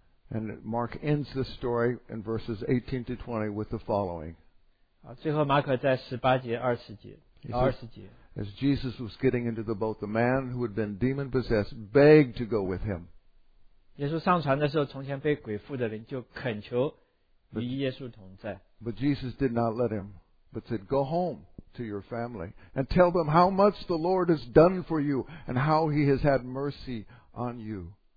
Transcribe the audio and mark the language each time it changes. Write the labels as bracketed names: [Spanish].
[English] And Mark ends the story in verses 18 to 20 with the following. [Chinese] 最后马可在18节20节到20节。 [English] As Jesus was getting into the boat, the man who had been demon-possessed begged to go with him. [Chinese] 耶稣上船的时候，从前被鬼附的人就恳求与耶稣同在。 [English] But Jesus did not let him, but said, go home to your family and tell them how much the Lord has done for you and how he has had mercy on you.